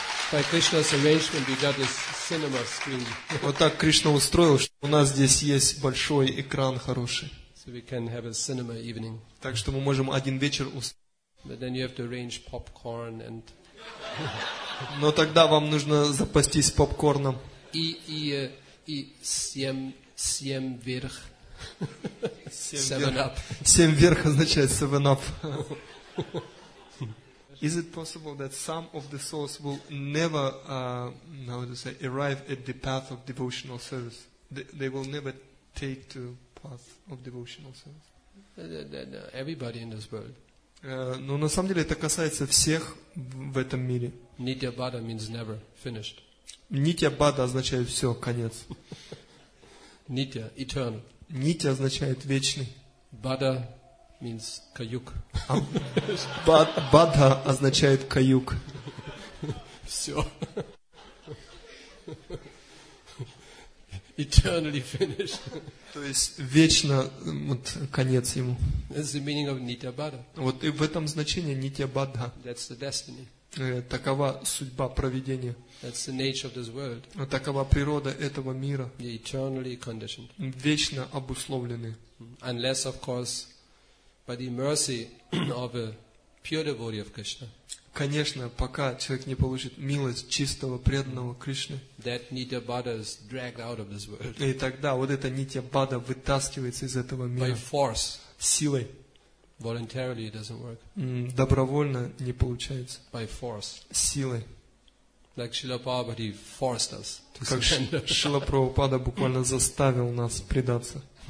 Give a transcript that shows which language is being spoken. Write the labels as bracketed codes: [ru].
[en] By Krishna's arrangement, we got this cinema screen. [ru] Вот так Кришна устроил, что у нас здесь есть большой экран хороший. [en] So we can have a cinema evening. [ru] Так что мы можем один вечер устроить. [en] But then you have to arrange popcorn and. [ru] Но тогда вам нужно запастись попкорном. И семь вверх. [en] Seven up. [ru] Семь вверх означает seven up. [en] Is it possible that some of the souls will never, how to say, arrive at the path of devotional service? They will never take to path of devotional service. Everybody in this world. [ru] Но на самом деле это касается всех в этом мире. [en] Nitya bada means never finished. [ru] Nitya bada означает все, конец. [en] Nitya eternal. [ru] Nitya означает вечный. [en] Bada means каюк. [ru] Бадха означает каюк. Все. [en] Eternally finished. [ru] То есть вечно вот, конец ему. [en] That's the meaning of Nitya Bada. [ru] Вот и в этом значении Нитья Бадха. [en] That's the destiny. [ru] Такова судьба провидения. [en] That's the nature of this world. [ru] Такова природа этого мира. [en] The eternally conditioned. [ru] Вечно обусловлены. [en] Unless, of course, by the mercy of a pure devotee of Krishna. [ru] Конечно, пока человек не получит милость чистого преданного Кришны. [en] That nitya bada is dragged out of this world. [ru] И тогда вот эта нитья бада вытаскивается из этого мира. [en] By force. [ru] Силой. [en] Voluntarily it doesn't work. [ru] Добровольно не получается. [en] By force. [ru] Силой. [en] Like Srila Prabhupada, he forced us to surrender. [ru] Как Шрила Прабхупада буквально заставил нас предаться.